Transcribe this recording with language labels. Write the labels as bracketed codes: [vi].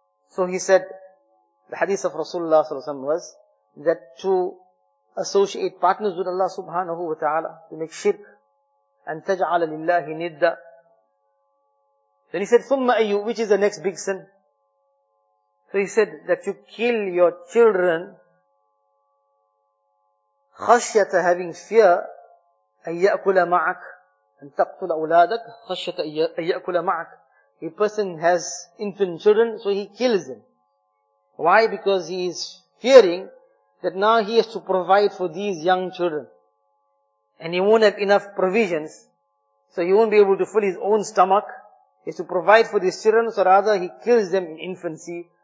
[en] So he said, the hadith of Rasulullah sallallahu alaihi wasallam was that to associate partners with Allah subhanahu wa ta'ala, to make shirk, and [ar] تَجْعَلَ لِلَّهِ نِدَّ. [en] Then he said, [ar] ثُمَّ أَيُّ, [en] which is the next big sin? So he said that you kill your children [ar] خَشْيَةَ, [en] having fear, [ar] أَن يَأْكُلَ مَعَكْ, أَن تَقْتُلَ أُولَادَكْ, خَشْيَةَ أَن يَأْكُلَ مَعَكْ. [en] A person has infant children, so he kills them. Why? Because he is fearing that now he has to provide for these young children. And he won't have enough provisions, so he won't be able to fill his own stomach. Is to provide for these children, so rather he kills them in infancy.